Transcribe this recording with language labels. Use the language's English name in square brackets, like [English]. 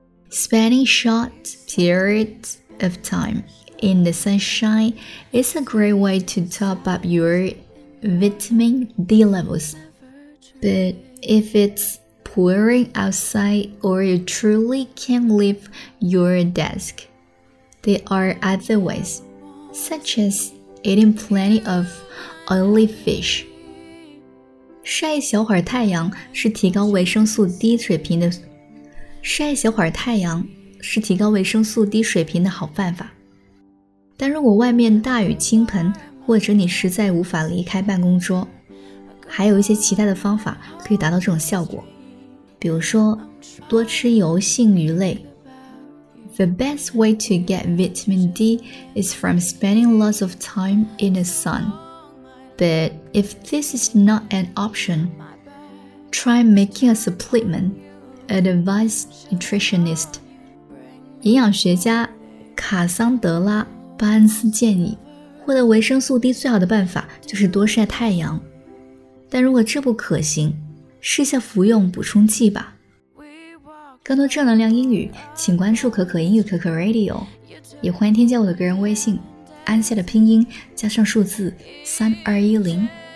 [English] Spend a short period of timeIn the sunshine, it's a great way to top up your vitamin D levels. But if it's pouring outside or you truly can't leave your desk, there are other ways, such as eating plenty of oily fish. [Chinese] 晒一小会儿太阳是提高维生素 D 水平的。晒一小会儿太阳是提高维生素 D 水平的好办法。但如果外面大雨倾盆，或者你实在无法离开办公桌，还有一些其他的方法可以达到这种效果。比如说，多吃油性鱼类。 [English] The best way to get vitamin D is from spending lots of time in the sun. But if this is not an option, try making a supplement, advised nutritionist. [Chinese] 营养学家卡桑德拉巴恩斯建议，获得维生素 D 最好的办法就是多晒太阳。但如果这不可行，试下服用补充剂吧。更多正能量英语，请关注可可英语可可 Radio， 也欢迎添加我的个人微信，安夏的拼音加上数字3210。